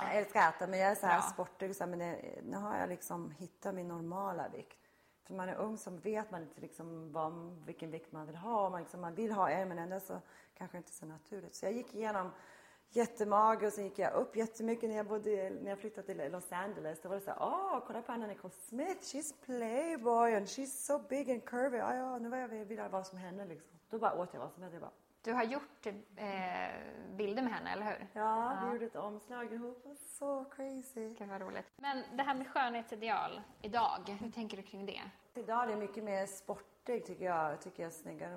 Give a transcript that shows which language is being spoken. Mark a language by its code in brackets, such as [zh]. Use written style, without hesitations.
[sv] Jag älskar att äta, men jag är så här sportig. Så här, men nu har jag liksom hittat min normala vikt. För man är ung, som vet man inte liksom vilken vikt man vill ha. Man vill ha en, men ändå så kanske inte så naturligt. Så jag gick igenom jättemage, och sen gick jag upp jättemycket när jag flyttade till Los Angeles. Då var det så här, oh, kolla på Anna Nicole Smith. [en] She's playboy and she's so big and curvy. [sv] Oh, ja, nu vill jag veta vad som hände. Liksom. Då bara åt jag vad som hände. Bara, du har gjort bilder med henne, eller hur? Ja, vi gjorde ett omslag ihop. Så crazy. Det kan vara roligt. Men det här med skönhetsideal idag, hur tänker du kring det? Idag är det mycket mer sportig, tycker jag. Jag tycker jag är snyggare.